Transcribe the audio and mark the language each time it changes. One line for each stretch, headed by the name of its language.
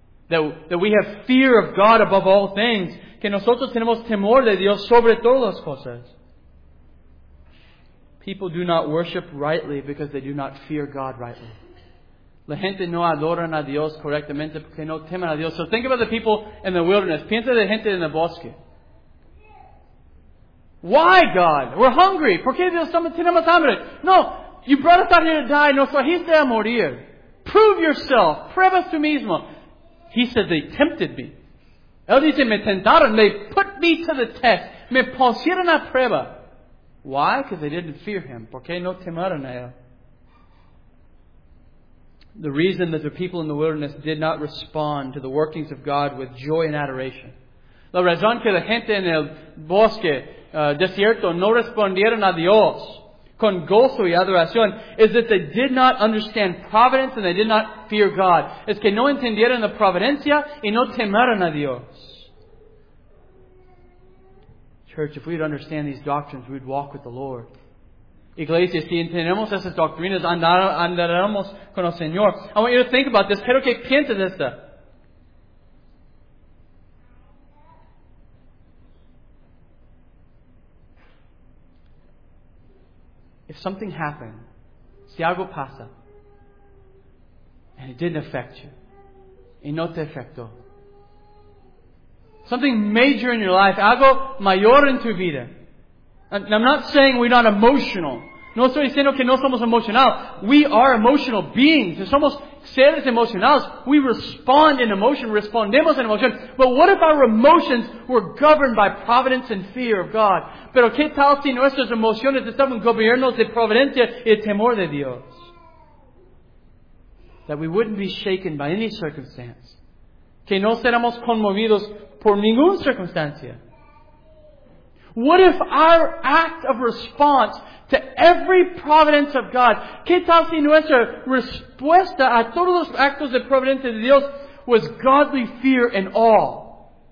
English: That we have fear of God above all things.
Spanish: Que nosotros tenemos temor de Dios sobre todas las cosas.
English: People do not worship rightly because they do not fear God rightly.
Spanish: La gente no adora a Dios correctamente porque no temen a Dios.
English: So think about the people in the wilderness.
Spanish: Piensa de gente en el bosque.
English: Why, God? We're hungry.
Spanish: ¿Por qué Dios tenemos hambre? No.
English: You brought us out here to die.
Spanish: Nos trajiste a morir.
English: Prove yourself.
Spanish: Pruebas tú mismo.
English: He said they tempted me.
Spanish: Él dice, me tentaron.
English: They put me to the test.
Spanish: Me pusieron a prueba.
English: Why? Because they didn't fear him.
Spanish: ¿Por qué no temaron a él?
English: The reason that the people in the wilderness did not respond to the workings of God with joy and adoration.
Spanish: La razón que la gente en el bosque, desierto, no respondieron a Dios con gozo y adoración
English: is that they did not understand providence and they did not fear God.
Spanish: Es que no entendieron la providencia y no temeron a Dios.
English: Church, if we'd understand these doctrines, we'd walk with the Lord.
Spanish: Iglesias, si entendemos esas doctrinas, andaremos con el Señor.
English: I want you to think about this.
Spanish: Quiero que pienses esto.
English: If something happened,
Spanish: si algo pasa,
English: and it didn't affect you,
Spanish: y no te afectó,
English: something major in your life,
Spanish: algo mayor en tu vida,
English: and I'm not saying we're not emotional.
Spanish: No estoy diciendo que no somos emocional.
English: We are emotional beings.
Spanish: Somos seres emocionales.
English: We respond in emotion.
Spanish: Respondemos en emotion.
English: But what if our emotions were governed by providence and fear of God?
Spanish: Pero qué tal si nuestras emociones estaban gobernadas de providencia y temor de Dios?
English: that we wouldn't be shaken by any circumstance.
Spanish: Que no seremos conmovidos por ninguna circunstancia.
English: What if our act of response to every providence of God,
Spanish: ¿qué tal si nuestra respuesta a todos los actos de providencia de Dios
English: was godly fear and awe?